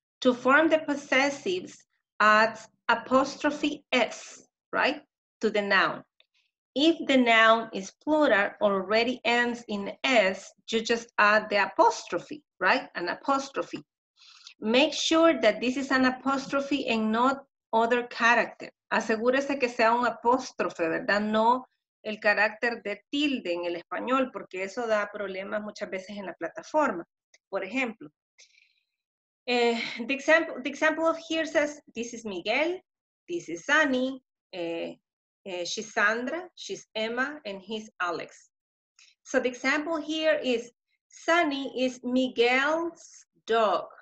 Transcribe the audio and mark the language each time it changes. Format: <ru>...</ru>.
<en>To form the possessives, adds apostrophe S, right, to the noun. If the noun is plural or already ends in S, you just add the apostrophe, right, an apostrophe. Make sure that this is an apostrophe and not other character.</en> <es>Asegúrese que sea un apóstrofe, ¿verdad? No el carácter de tilde en el español, porque eso da problemas muchas veces en la plataforma. Por ejemplo,</es> <en>the example of here says, this is Miguel, this is Annie, she's Sandra, she's Emma, and he's Alex. So the example here is, Sunny is Miguel's dog.</en>